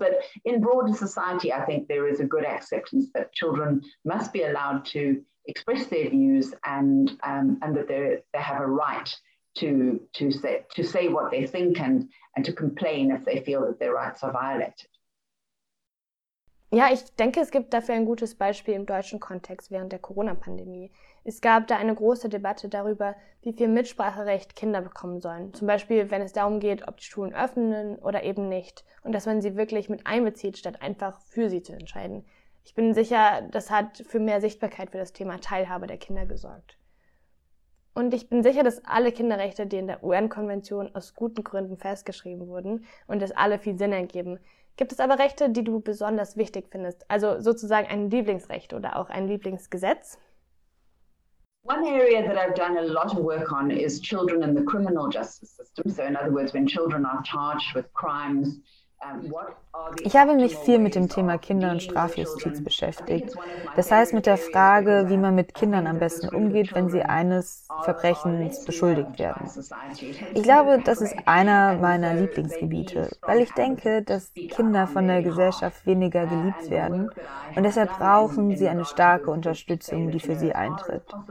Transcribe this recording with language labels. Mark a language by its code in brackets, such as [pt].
[en] But in broader society, I think there is a good acceptance that children must be allowed to express their views and that they have a right to say what they think and to complain if they feel that their rights are violated. [de] Ja, ich denke, es gibt dafür ein gutes Beispiel im deutschen Kontext während der Corona-Pandemie. Es gab da eine große Debatte darüber, wie viel Mitspracherecht Kinder bekommen sollen. Zum Beispiel, wenn es darum geht, ob die Schulen öffnen oder eben nicht. Und dass man sie wirklich mit einbezieht, statt einfach für sie zu entscheiden. Ich bin sicher, das hat für mehr Sichtbarkeit für das Thema Teilhabe der Kinder gesorgt. Und ich bin sicher, dass alle Kinderrechte, die in der UN-Konvention aus guten Gründen festgeschrieben wurden und dass alle viel Sinn ergeben. Gibt es aber Rechte, die du besonders wichtig findest? Also sozusagen ein Lieblingsrecht oder auch ein Lieblingsgesetz? [en] One area that I've done a lot of work on is children in the criminal justice system. So in other words, when children are charged with crimes. [de] Ich habe mich viel mit dem Thema Kinder und Strafjustiz beschäftigt. Das heißt mit der Frage, wie man mit Kindern am besten umgeht, wenn sie eines Verbrechens beschuldigt werden. Ich glaube, das ist einer meiner Lieblingsgebiete, weil ich denke, dass Kinder von der Gesellschaft weniger geliebt werden und deshalb brauchen sie eine starke Unterstützung, die für sie eintritt.